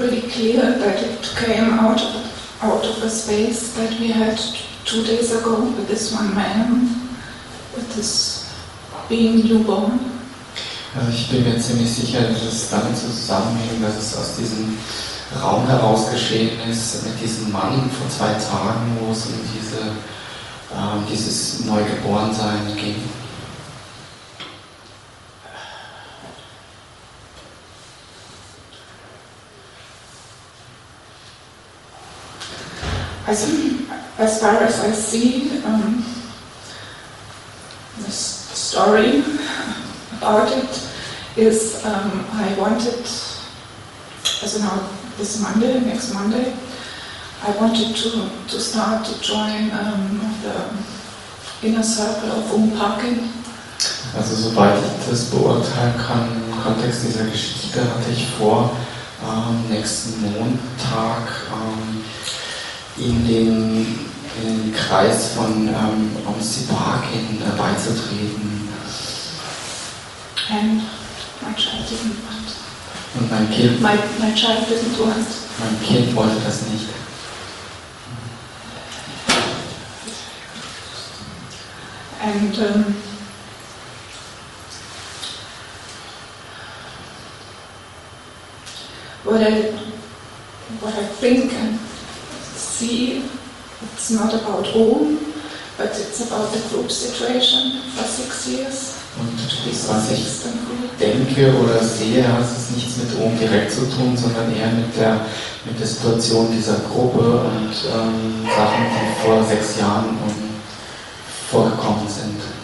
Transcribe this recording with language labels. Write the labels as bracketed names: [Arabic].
[English] Clear that it came out of a space that we had 2 days ago with this one man, with this being newborn. [German] Also ich bin mir ziemlich sicher, dass es damit zusammenhängt, dass es aus diesem Raum heraus geschehen ist, mit diesem Mann vor 2 Tagen, wo es um dieses Neugeborensein ging. [English] As far as I see, the story about it is I wanted, as now this Monday, next Monday, I wanted to start to join the inner circle of Unpacking. [German] Also soweit ich das beurteilen kann, im Kontext dieser Geschichte, hatte ich vor, nächsten Montag in den Kreis von Omsi Park beizutreten. [English] And my child didn't want. [German] Und mein Kind. [English] My child didn't want. [German] Mein Kind wollte das nicht. [English] And what I think. It's not about home, but it's about the group situation for 6 years. [German] Und was ich denke oder sehe, hat es nichts mit home direkt zu tun, sondern eher mit der Situation dieser Gruppe und Sachen, die vor 6 Jahren vorgekommen sind.